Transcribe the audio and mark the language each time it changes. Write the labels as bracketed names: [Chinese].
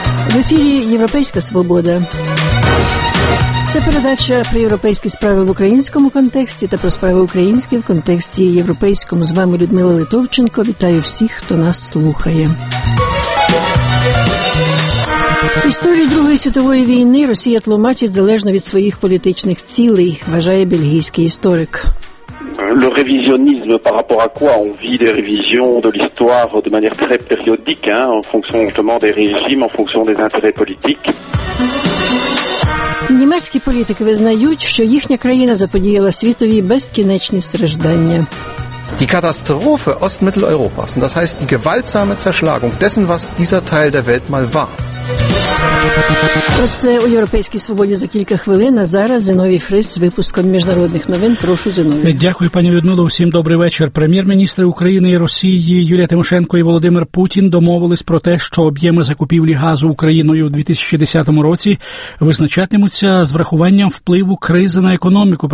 [Ukrainian] В ефірі «Європейська свобода». Це передача про європейські справи в українському контексті та про справи українські в контексті європейському. З вами Людмила Литовченко. Вітаю всіх, хто нас слухає. Історію Другої світової війни Росія тлумачить залежно від своїх політичних цілей, вважає бельгійський історик. [French] Le révisionnisme par rapport à quoi? On vit des révisions de l'histoire de manière très périodique, hein, en fonction justement des régimes, en fonction des intérêts politiques. [Ukrainian] Німецькі політики визнають, що їхня країна заподіяла світові безкінечні страждання. [German] Die Katastrophe Ost-Mitteleuropas, und das heißt die gewaltsame Zerschlagung dessen, was dieser Teil der Welt mal war. [Ukrainian] Це у Європейській свободі за кілька хвилин, а зараз Зіновій Фріс з випуском міжнародних новин. Прошу, Зіновій. Дякую, пані Людмило. Усім добрий вечір. Прем'єр-міністри України і Росії Юлія Тимошенко і Володимир Путін домовились про те, що об'єми закупівлі газу Україною у 2010 році визначатимуться з врахуванням впливу кризи на економіку.